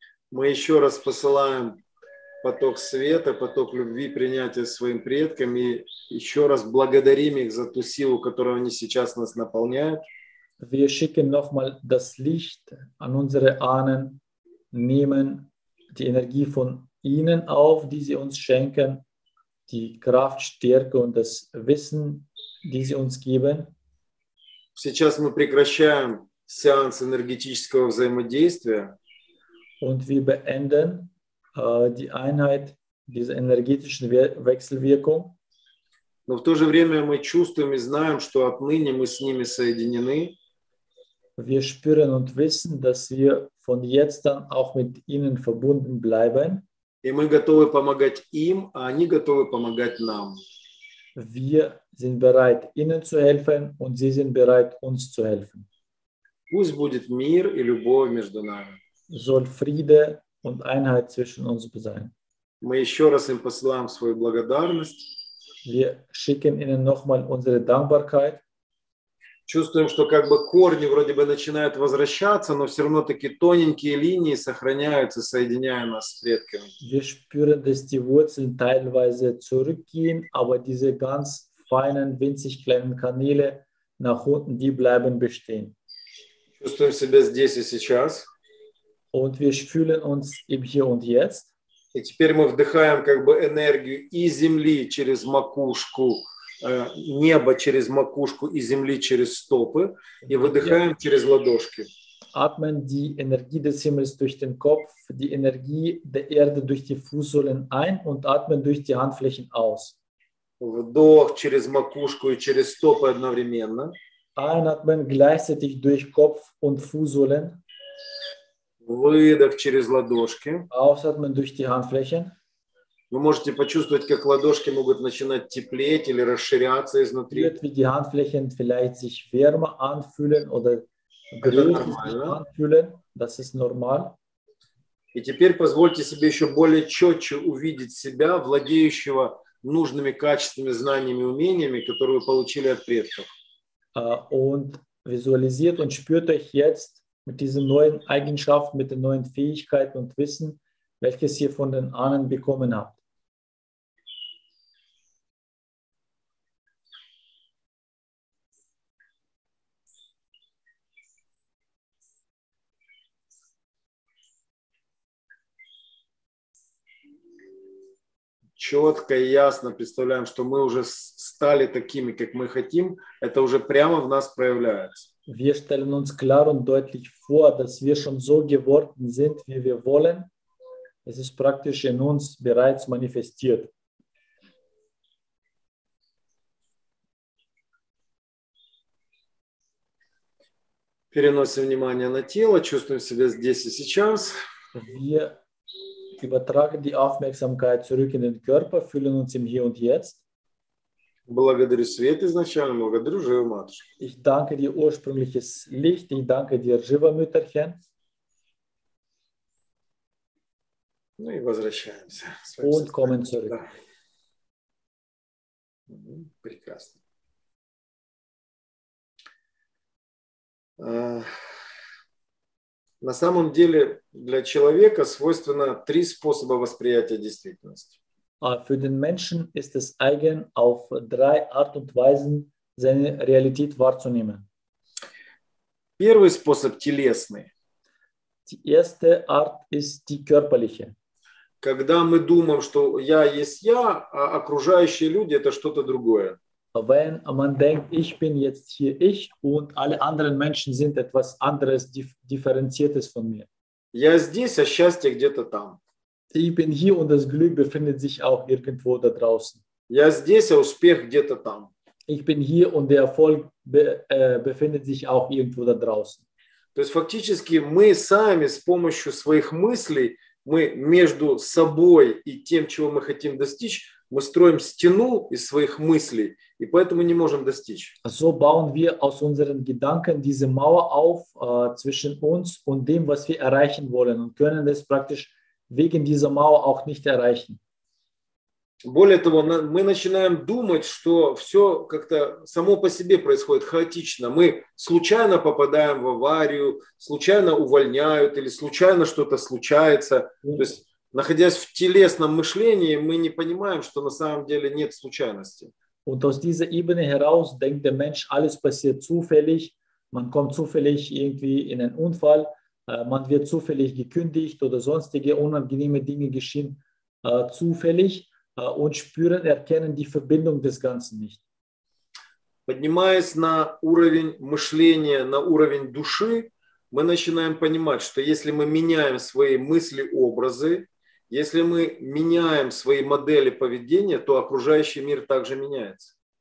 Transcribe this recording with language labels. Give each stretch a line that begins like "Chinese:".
Russian: Мы еще раз посылаем поток света, поток любви, принятия своим предкам и еще раз благодарим их за ту силу, которую они сейчас нас наполняют.
German: Wir schicken nochmal das Licht an unsere Ahnen, nehmen die Energie von ihnen auf, die sie uns schenken, die Kraft, Stärke und das Wissen, die sie uns geben.
Russian: Сейчас мы прекращаем сеанс энергетического взаимодействия.
German: Und wir beenden die Einheit dieser energetischen Wechselwirkung.
Russian: Но в то же время мы чувствуем и знаем, что отныне мы с ними соединены.
German: Wir spüren und wissen, dass wir von jetzt an auch mit ihnen verbunden bleiben.
Russian: И мы готовы помогать им, а они готовы помогать нам.
German: Wir sind bereit, ihnen zu helfen und sie sind bereit, uns zu helfen.
Russian: Пусть будет мир и любовь между нами.
German: Soll Friede und Einheit zwischen uns sein.
Russian: Мы еще раз им посылаем свою благодарность.
German: Wir schicken ihnen nochmal unsere Dankbarkeit.
Russian: Чувствуем, что как бы корни вроде бы начинают возвращаться, но все равно такие тоненькие линии сохраняются, соединяя нас с предками.
German: Wir spüren, dass die Wurzeln teilweise zurückgehen, aber diese ganz feinen, winzig kleinen Kanäle nach unten, die bleiben bestehen.
Russian: Чувствуем себя здесь и сейчас.
German: Und wir fühlen uns im Hier und Jetzt.
Russian: И теперь мы вдыхаем как бы энергию и земли через макушку, небо через макушку и земли через стопы и выдыхаем через ладошки.
German: Atmen die Energie des Himmels durch den Kopf, die Energie der Erde durch die Fußsohlen ein und atmen durch die Handflächen aus.
Russian: Вдох через макушку и через стопы одновременно.
German: Einatmen gleichzeitig durch Kopf und Fußsohlen.
Russian: Выдох через ладошки.
German: Ausatmen durch die Handflächen.
Russian: Вы можете почувствовать, как ладошки могут начинать теплеть или расширяться изнутри.
German: Wie die Handflächen vielleicht sich wärmer anfühlen oder größer anfühlen, das ist normal.
Russian: И теперь позвольте себе еще более четче увидеть себя, владеющего нужными качествами, знаниями, умениями, которые вы получили от предков.
German: Und visualisiert und spürt euch jetzt mit diesen neuen Eigenschaften, mit den neuen Fähigkeiten und Wissen, welches ihr von den Ahnen bekommen habt.
Russian: Четко и ясно представляем, что мы уже стали такими, как мы хотим, это уже прямо в нас проявляется.
German: Wir stellen uns klar und deutlich vor, dass wir schon so geworden sind, wie wir wollen. Es ist praktisch in uns bereits manifestiert.
Russian: Переносим внимание на тело, чувствуем себя здесь и сейчас.
German: Wir übertragen die Aufmerksamkeit zurück in den Körper, fühlen uns im Hier und Jetzt.
Russian: Благодарю свет изначально, благодарю живу матушку.
German: Ich danke dir ursprüngliches Licht, ich danke dir,
Russian: живо
German: мütterchen.
Russian: Ну и возвращаемся.
German: Und kommen zurück.
Russian: Да. Прекрасно. На самом деле для человека свойственно три способа восприятия действительности.
German: Für den Menschen ist es eigen, auf drei Art und Weisen seine Realität wahrzunehmen.
Russian: Первый способ телесный.
German: Die erste Art ist die körperliche.
Russian: Когда мы думаем, что я есть я, а окружающие люди это что-то другое.
German: Wenn man denkt, ich bin jetzt hier ich und alle anderen Menschen sind etwas anderes, differenziertes von mir.
Russian: Я здесь, а счастье где-то там.
German: Ich bin hier und das Glück befindet sich auch irgendwo da draußen.
Russian: Я здесь, а успех где-то там.
German: Ich bin hier und der Erfolg befindet sich auch irgendwo da draußen.
Russian: То есть фактически мы сами с помощью своих мыслей, мы между собой и тем, чего мы хотим достичь, мы строим стену из своих мыслей и поэтому не можем достичь.
German: So bauen wir aus unseren Gedanken diese Mauer auf zwischen uns und dem, was wir erreichen wollen und können das praktisch wegen dieser Mauer auch nicht erreichen.
Russian: Более того, мы начинаем думать, что все как-то само по себе происходит хаотично. Мы случайно попадаем в аварию, случайно увольняют или случайно что-то случается. То есть, находясь в телесном мышлении, мы не понимаем, что на самом деле нет случайности.
German: Und aus dieser Ebene heraus denkt der Mensch, alles passiert zufällig. Man kommt zufällig irgendwie in einen Unfall. Man wird zufällig gekündigt oder sonstige unangenehme Dinge geschehen zufällig und spüren, erkennen die Verbindung des Ganzen nicht.
Russian: Поднимаясь на уровень мышления, на уровень души, мы начинаем понимать, что если мы меняем свои мысли, образы, если мы меняем свои модели поведения, то окружающий мир также меняется.